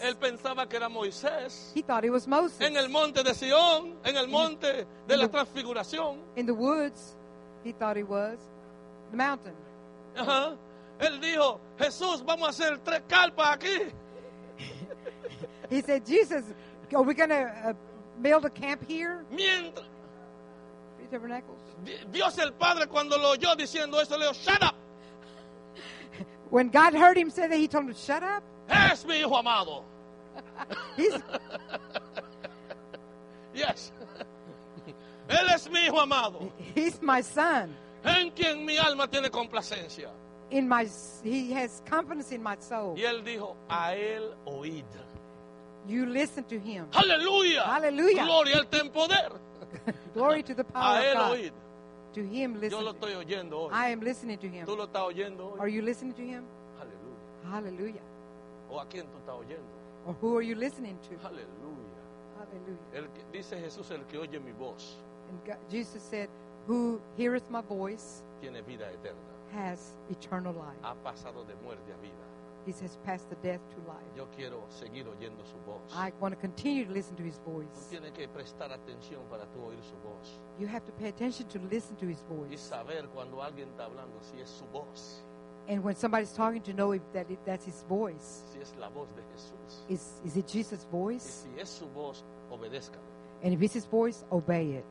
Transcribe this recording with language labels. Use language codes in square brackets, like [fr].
[es] Él pensaba que era Moisés. [en] He thought he was Moses. [es] En el monte de Sion, en el monte de la transfiguración. [en] In the woods, he thought he was the mountain. [es] Él dijo, Jesús, vamos a hacer tres carpas aquí. [en] He said, Jesus, are we going to build a camp here? [es] Mientras. [en] Three tabernacles. [es] Dios el Padre cuando lo oyó diciendo eso, le dijo, [en] shut up. When God heard him say that, he told him, shut up. [es] Es mi hijo amado. [en] He's... [es] Yes. Él es mi hijo amado. [en] He's my son. [es] En quien mi alma tiene complacencia. [en] In my, he has confidence in my soul. [es] Y él dijo, a él oíd. [en] You listen to him. Hallelujah. Hallelujah. [es] Gloria al ten poder. [en] Glory to the power [es] a él [en] of God. [es] Oíd. [en] To him listen. [es] Yo lo estoy oyendo hoy. [en] I am listening to him. [es] Tú lo estás oyendo hoy. [en] Are you listening to him? Hallelujah. Hallelujah. [es] ¿O a quién tú estás oyendo? [en] Or who are you listening to? Aleluya. Aleluya. [es] El que, dice Jesús, el que oye mi voz. [en] And God, Jesus said, who heareth my voice [es] tiene vida eterna. [en] Has eternal life. [es] Ha pasado de muerte a vida. [en] He says, passed the death to life. [es] Yo quiero seguir oyendo su voz. [en] I want to continue to listen to his voice. [es] Tú tienes que prestar atención para tú oír su voz. [en] You have to pay attention to listen to his voice. [es] Y saber cuando alguien está hablando si es su voz. [en] And when somebody's talking to know if that if that's his voice. [es] Si es la voz de Jesús. [en] Is it Jesus' voice? [es] Y si es su voz, obedezca. [en] And if it's his voice, obey it.